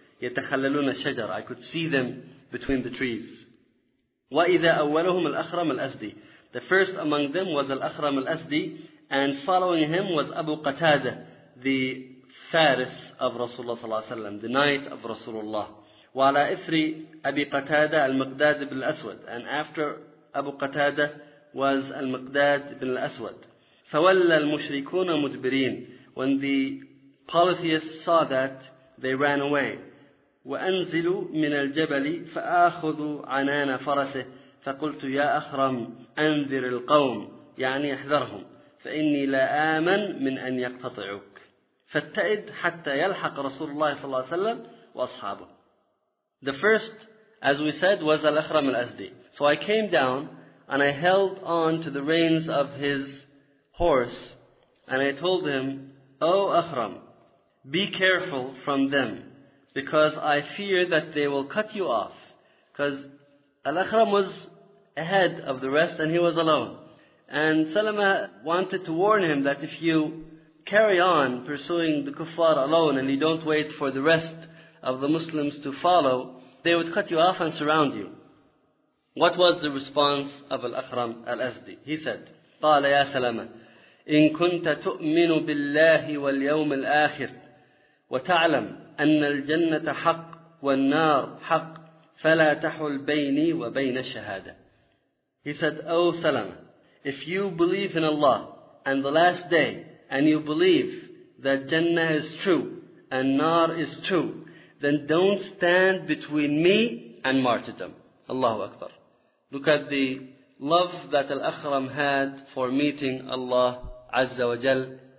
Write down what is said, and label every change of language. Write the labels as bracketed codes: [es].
[ar] يَتَخَلَّلُونَ الشَّجَرَ. [en] I could see them between the trees. [ar] وَإِذَا أَوَّلُهُمَ الْأَخْرَمَ الْأَسْدِي. [en] The first among them was الْأَخْرَمَ الْأَسْدِي. And following him was Abu Qatada, the Faris of Rasulullah صلى الله عليه وسلم, the knight of Rasulullah. [ar] وعلى إثر أبي قتادة المقداد بن الأسود. [en] And after Abu Qatada was المقداد بن الأسود. [ar] فولى المشركون مدبرين. [en] When the polytheists saw that, they ran away. [ar] وأنزلوا من الجبل فأخذوا عنان فرسه. فقلت يا أخرم أنذر القوم. يعني احذرهم. فإني لا آمن من أن يقتطعوك فاتئد حتى يلحق رسول الله صلى الله عليه وسلم وأصحابه. [en] The first, as we said, was Al-Akhram Al-Asdi. So I came down and I held on to the reins of his horse and I told him, "O Akhram, be careful from them because I fear that they will cut you off." Because Al-Akhram was ahead of the rest and he was alone. And Salama wanted to warn him that if you carry on pursuing the kuffar alone and you don't wait for the rest of the Muslims to follow, they would cut you off and surround you. What was the response of Al-Akram Al-Azdi? He said, [ar] قال يا سلمة إن كنت تؤمن بالله واليوم الآخر وتعلم أن الجنة حق والنار حق فلا تحل بيني وبين الشهادة. [en] He said, O Salama, if you believe in Allah and the last day, and you believe that Jannah is true and Nar is true, then don't stand between me and martyrdom. Allahu Akbar. Look at the love that Al-Akram had for meeting Allah Azza wa Jal.